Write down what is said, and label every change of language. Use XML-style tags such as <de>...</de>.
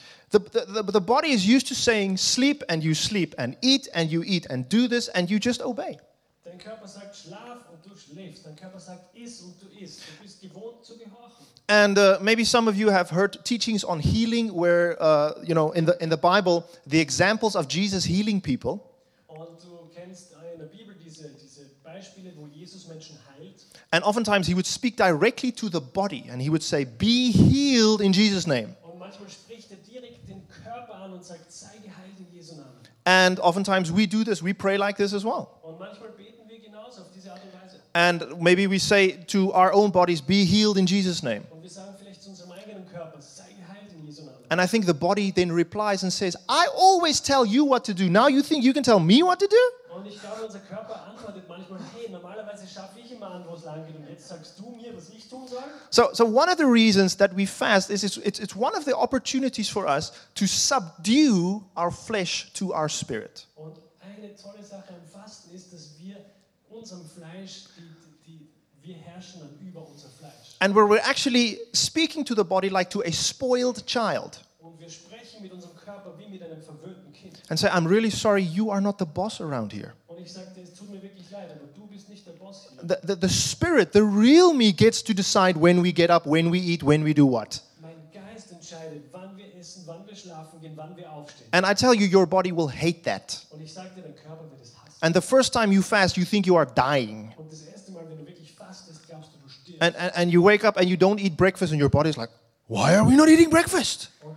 <en>The body is used to saying sleep and eat and you eat and do this and you just obey.</en> <de>Dein Körper sagt schlaf und du schläfst. Dein Körper sagt iss und du isst. Du bist gewohnt zu gehorchen.</de> <en>And maybe some of you have heard teachings on healing where in the Bible the examples of Jesus healing people.</en> <de>Und du kennst in der Bibel diese Beispiele, wo Jesus Menschen heilt.</de> <en>And oftentimes he would speak directly to the body and he would say be healed in Jesus' name.</en> <de>Und manchmal spricht direkt den Körper an und sagt sei geheilt in Jesu Namen.</de> <en>And oftentimes we do this, we pray like this as well.</en> <de>Und manchmal beten wir genauso auf diese Art und Weise.</de> <en>And maybe we say to our own bodies, be healed in Jesus' name.</en> <de>Und wir sagen vielleicht zu unserem eigenen Körper, sei geheilt in Jesu Namen.</de> <en>And I think the body then replies and says, I always tell you what to do. Now you think you can tell me what to do?</en> <de>Und ich glaube, unser Körper antwortet manchmal, hey, normalerweise schaffe ich immer an, wo es lang geht. Und jetzt sagst du mir, was ich tun soll?</de> <en>So one of the reasons that we fast is it's one of the opportunities for us to subdue our flesh to our spirit.</en> <de>Und eine tolle Sache am Fasten ist, dass wir unserem Fleisch, wir herrschen dann über unser Fleisch.</de> <en>And where we're actually speaking to the body like to a spoiled child.</en> <de>Und wir sprechen mit unserem Körper wie mit einem verwöhnten Kind.</de> <en>And say, I'm really sorry, you are not the boss around here.</en> <de>Und ich sagte, es tut mir wirklich leid, aber du bist nicht der Boss hier.</de> <en>The spirit, the real me gets to decide when we get up, when we eat, when we do what.</en> <de>Mein Geist entscheidet, wann wir essen, wann wir schlafen gehen, wann wir aufstehen.</de> <en>And I tell you, your body will hate that.</en> <de>Und ich sagte, dein Körper wird es hassen.</de> <en>And the first time you fast, you think you are dying.</en> <de>Und das erste Mal, wenn du wirklich fastest, glaubst du, du stirbst.</de> <en>And you wake up and you don't eat breakfast and your body's like, why are we not eating breakfast?</en>